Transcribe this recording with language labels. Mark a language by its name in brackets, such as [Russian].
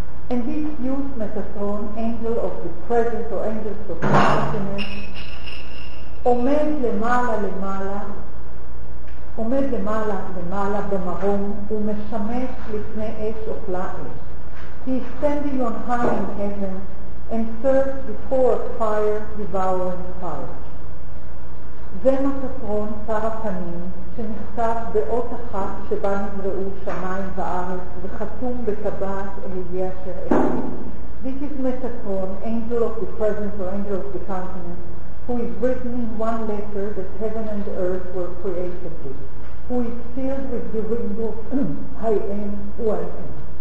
[English] And this youth Metatron, angel of the present or angel of the happiness, [Hebrew] עומד למעלה למעלה עומד למעלה למעלה במרום ומשמש לפני אש אוכלה אש. [English] He is standing on high in heaven and serves before a fire devouring fire. [Hebrew] זה מטטרון שר הפנים שנכתב באות אחת שבה נבראו שמיים וארץ וחתום בטבעת אהיה אשר אהיה. [English] This is Metatron, angel of the presence or angel of the countenance, who is written in one letter that heaven and earth were created with, who is sealed with the ring of I am who I am.